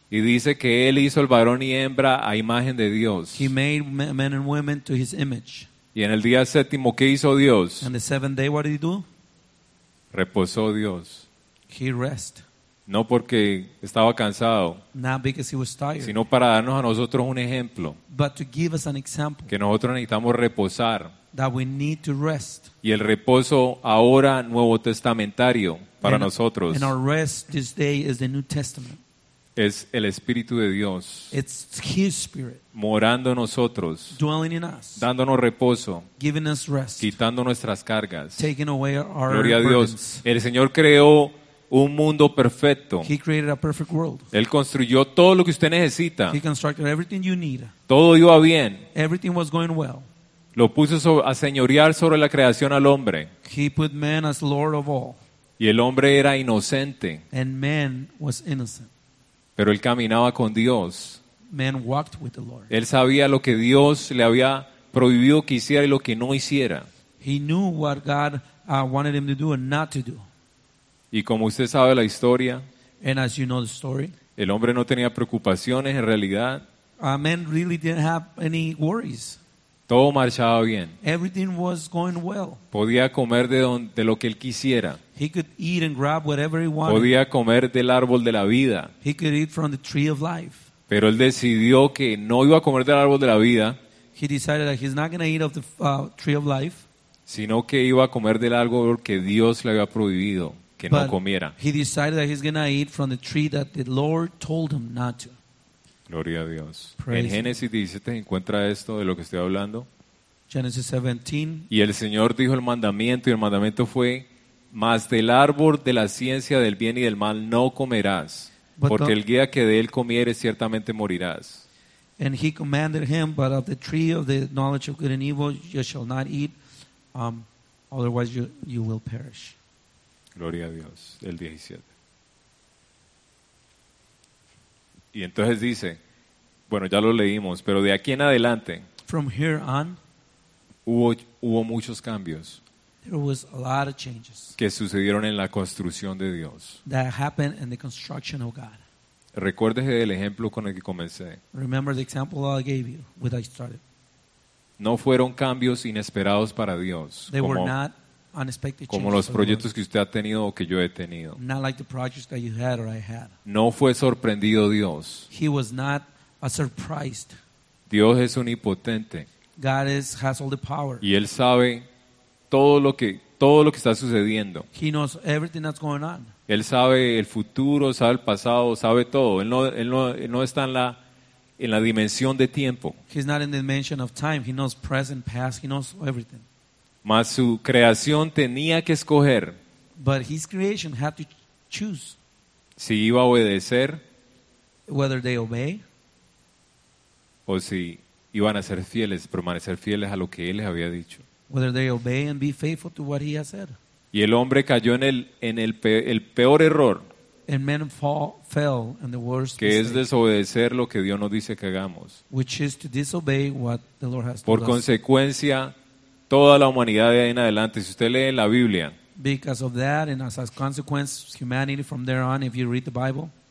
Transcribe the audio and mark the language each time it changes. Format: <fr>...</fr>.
<es>Y dice que él hizo el varón y hembra a imagen de Dios.</es> <en>He made men and women to his image.</en> <es>Y en el día séptimo, ¿qué hizo Dios?</es> <en>And the seventh day, what did he do?</en> <es>Reposó Dios.</es> <en>He rest.</en> <es>No porque estaba cansado,</es> <en>not because he was tired,</en> <es>sino para darnos a nosotros un ejemplo,</es> <en>but to give us an example,</en> <es>que nosotros necesitamos reposar,</es> <en>that we need to rest.</en> <es>Y el reposo ahora nuevo testamentario para nosotros,</es> <en>and our rest this day is the New Testament.</en> <es>Es el Espíritu de Dios,</es> <en>it's his spirit,</en> <es>morando en nosotros,</es> <en>dwelling in us,</en> <es>dándonos reposo,</es> <en>giving us rest,</en> <es>quitando nuestras cargas,</es> <en>taking away our</en> <es>gloria a Dios.</es> <en>Burdens.</en> <es>El Señor creó un mundo perfecto.</es> <en>He created a perfect world.</en> <es>Él construyó todo lo que usted necesita.</es> <en>He constructed everything you need.</en> <es>Todo iba bien.</es> <en>Everything was going well.</en> <es>Lo puso a señorear sobre la creación al hombre.</es> <en>He put man as Lord of all.</en> <es>Y el hombre era inocente.</es> <en>And man was innocent.</en> <es>Pero él caminaba con Dios.</es> <en>Man walked with the Lord.</en> <es>Él sabía lo que Dios le había prohibido que hiciera y lo que no hiciera.</es> <en>He knew what God wanted him to do and not to do.</en> <es>Y como usted sabe la historia,</es> <en>and as you know the story,</en> <es>el hombre no tenía preocupaciones en realidad.</es> <en>A man really didn't have any worries.</en> <es>Todo marchaba bien.</es> <en>Everything was going well.</en> <es>Podía comer de lo que él quisiera.</es> <en>He could eat and grab whatever he wanted.</en> <es>Podía comer del árbol de la vida.</es> <en>He could eat from the tree of life.</en> <es>Pero él decidió que no iba a comer del árbol de la vida.</es> <en>He decided that he's not going to eat of the tree of life.</en> <es>Sino que iba a comer del árbol que Dios le había prohibido. Que</es> <en>but</en> <es>no comiera.</es> <en>He decided that he's going to eat from the tree that the Lord told him not to.</en> <es>Gloria a Dios.</es> <en>Praise</en> <es>en Génesis 17 encuentra esto de lo que estoy hablando.</es> <en>Genesis 17.</en> <es>Y el Señor dijo el mandamiento y el mandamiento fue: mas del árbol de la ciencia del bien y del mal no comerás, porque el día que de él comieres ciertamente morirás.</es> <en>And he commanded him, but of the tree of the knowledge of good and evil you shall not eat, otherwise you will perish.</en> <es>Gloria a Dios. El 17. Y entonces dice, bueno, ya lo leímos, pero de aquí en adelante,</es> <en>from here on,</en> <es>hubo muchos cambios,</es> <en>there was a lot of changes,</en> <es>que sucedieron en la construcción de Dios.</es> <en>That happened in the construction of God.</en> <es>Recuerdes el ejemplo con el que comencé.</es> <en>Remember the example I gave you with I started.</en> <es>No fueron cambios inesperados para Dios.</es> <en>They were not unexpected changes,</en> <es>como los proyectos que usted ha tenido o que yo he tenido.</es> <en>Not like the projects that you had or I had.</en> <es>No fue sorprendido Dios.</es> <en>He was not a surprised.</en> <es>Dios es omnipotente.</es> <en>God has all the power.</en> <es>Y él sabe todo lo que está sucediendo.</es> <en>He knows everything that's going on.</en> <es>Él sabe el futuro, sabe el pasado, sabe todo. Él no está en la dimensión de tiempo.</es> <en>He's not in the dimension of time. He knows present, past. He knows everything.</en> <es>Mas su creación tenía que escoger,</es> <en>but his creation had to choose,</en> <es>si iba a obedecer,</es> <en>whether they obey,</en> <es>o si iban a ser fieles, permanecer fieles a lo que él les había dicho,</es> <en>whether they obey and be faithful to what he has said.</en> <es>Y el hombre cayó en el peor error,</es> <en>and men fell in the worst,</en> <es>que es desobedecer lo que Dios nos dice que hagamos,</es> <en>which is to disobey what the Lord has told us.</en> <es>Por consecuencia, toda la humanidad de ahí en adelante, si usted lee la Biblia,</es> <en>because of that and as a consequence humanity from there on, if you read the Bible,</en>